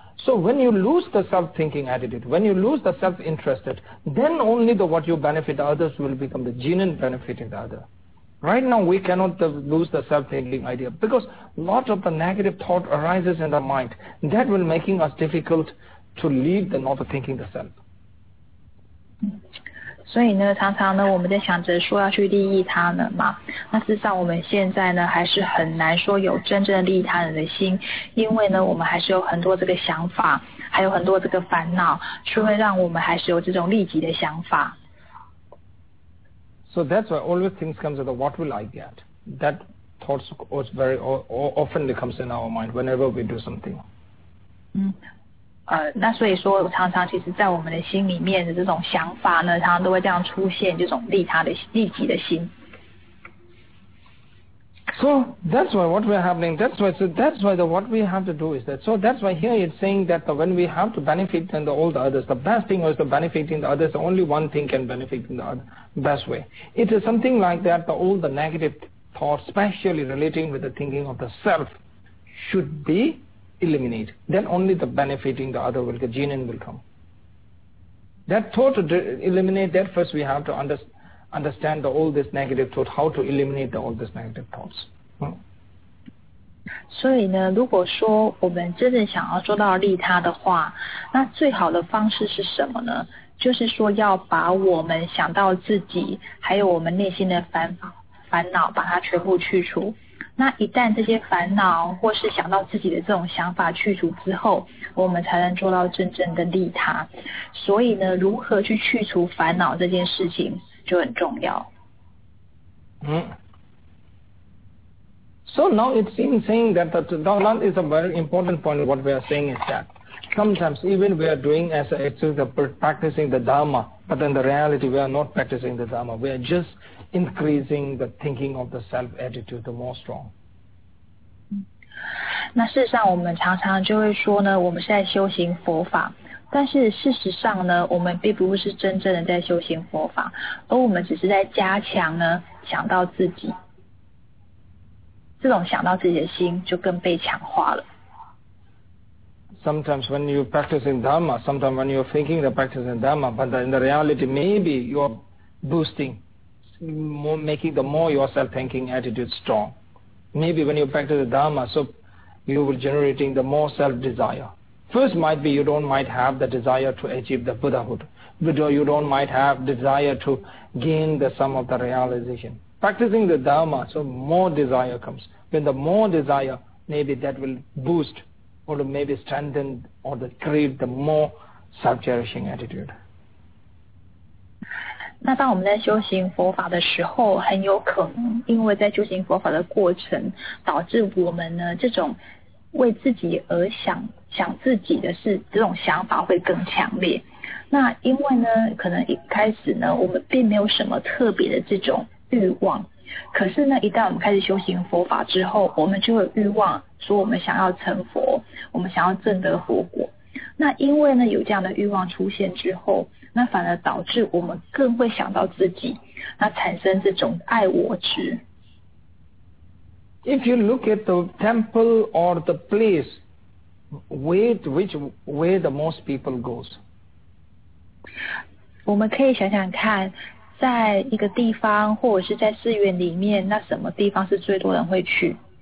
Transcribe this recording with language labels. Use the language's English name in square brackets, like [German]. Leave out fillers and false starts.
[English] So when you lose the self-thinking attitude, when you lose the self-interested, then only the what you benefit others will become the genuine benefit in the other. Right now we cannot lose the self-thinking idea because a lot of the negative thought arises in the mind. That will making us difficult to lead the not thinking the self. [Chinese] 所以呢，常常呢，我们在想着说要去利益他人嘛。那事实上我们现在呢，还是很难说有真正利益他人的心，因为呢，我们还是有很多这个想法，还有很多这个烦恼，却会让我们还是有这种利己的想法。 [English] So that's why always things come to the what will I get? That thoughts was very often comes in our mind whenever we do something. [Chinese] 那所以说常常其实在我们的心里面的这种想法呢，常常都会这样出现这种利他的利己的心。 [English] So that's why what we're happening, that's why, so that's why the, what we have to do is that. So that's why here it's saying that the, when we have to benefit and the, all the others, the best thing is the benefiting the others, only one thing can benefit in the other, best way. It is something like that, the, all the negative thoughts, especially relating with the thinking of the self, should be eliminated. Then only the benefiting the other will, the genin will come. That thought to eliminate that, first we have to understand the, all this negative thought, how to eliminate the, all these negative thoughts. [Chinese] 所以呢，如果说我们真的想要做到利他的话，那最好的方式是什么呢？就是说要把我们想到自己，还有我们内心的烦恼，把它全部去除。那一旦这些烦恼或是想到自己的这种想法去除之后，我们才能做到真正的利他。所以呢，如何去去除烦恼这件事情就很重要。 [English] So now it seems saying that that is a very important point. What we are saying is that sometimes even we are doing as a, it's just a practicing the Dharma, but in the reality we are not practicing the Dharma. We are just increasing the thinking of the self attitude the more strong. [Chinese] 那事实上我们常常就会说呢，我们是在修行佛法，但是事实上呢，我们并不是真正的在修行佛法，而我们只是在加强呢想到自己。这种想到自己的心就更被强化了。 [English] Sometimes when you practice in Dharma, sometimes when you are thinking the practice in Dharma, but in the reality, maybe you are boosting, making the more yourself thinking attitude strong. Maybe when you practice the Dharma, so you will generating the more self desire. First might be you don't might have the desire to achieve the Buddhahood, but you don't might have desire to gain the sum of the realization. Practicing the Dharma, so more desire comes. When the more desire, maybe that will boost or maybe strengthen or create the more self-cherishing attitude. [Chinese] 那当我们在修行佛法的时候，很有可能因为在修行佛法的过程，导致我们呢这种为自己而想自己的事，这种想法会更强烈。那因为呢，可能一开始呢，我们并没有什么特别的这种欲望，可是呢，一旦我们开始修行佛法之后，我们就有欲望说我们想要成佛，我们想要证得佛果。那因为呢有这样的欲望出现之后，那反而导致我们更会想到自己，那产生这种爱我执。 [English] If you look at the temple or the place, where the most people goes? [Chinese] 我们可以想想看。在一个地方或者是在寺院里面，那什么地方是最多人会去？